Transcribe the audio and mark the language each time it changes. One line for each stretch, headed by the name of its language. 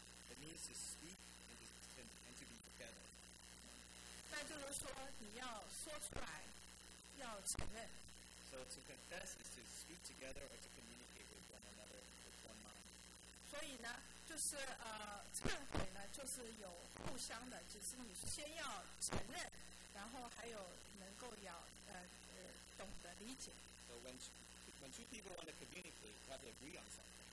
English: It means to speak and to be together.
Chinese: 那就是说你要说出来，要承认。
English: So to confess is to speak together or to communicate with one another with one mind.
Chinese: 所以呢，就是忏悔呢，就是有互相的，就是你先要承认，然后还有能够要懂得理解。
English: So when two people want to communicate, they have to agree on something.